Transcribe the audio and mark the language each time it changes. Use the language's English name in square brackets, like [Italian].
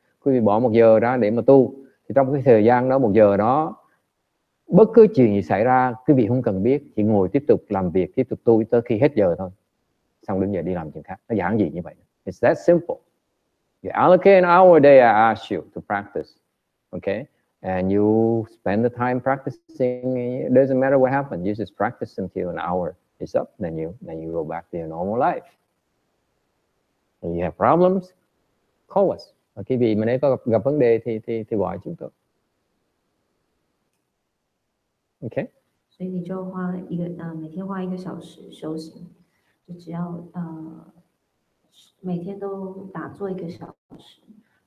[Vietnamese] Quý vị bỏ một giờ ra để mà tu, thì trong cái thời gian đó, một giờ đó, bất cứ chuyện gì xảy ra, quý vị không cần biết, chỉ ngồi tiếp tục làm việc, tiếp tục tu tới khi hết giờ thôi. Xong đứng dậy đi làm chuyện khác. Nó giản dị như vậy. [English] It's that simple. You allocate an hour a day, I ask you to practice. Okay? And you spend the time practicing, it doesn't matter what happens, you just practice until an hour is up, then you go back to your normal life. And you have problems, call us. [Vietnamese] Okay, vì mình có gặp vấn đề thì gọi chúng tôi. [English] Okay? So you just spend 1 hour practicing.